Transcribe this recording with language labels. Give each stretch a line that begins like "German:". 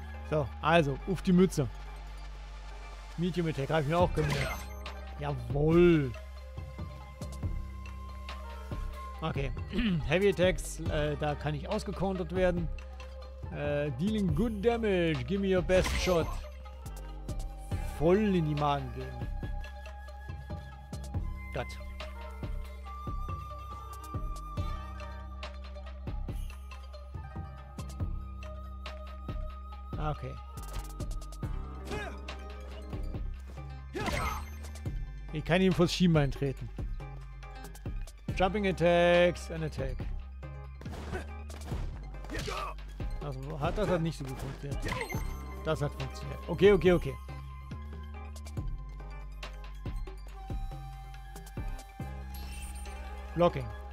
German: So, also, auf die Mütze.
English: Medium attack,
German: hab ich mir auch gemerkt. Jawoll. Okay,
English: heavy attacks,
German: da kann ich ausgecountert werden.
English: Dealing good damage, give me your best shot.
German: Voll in die Magen gehen. Gott. Okay. Ich kann ihm vor das Schienbein treten.
English: Jumping Attacks, an Attack.
German: Das hat nicht so gut funktioniert. Ja. Das hat funktioniert. Okay.
English: Blocking.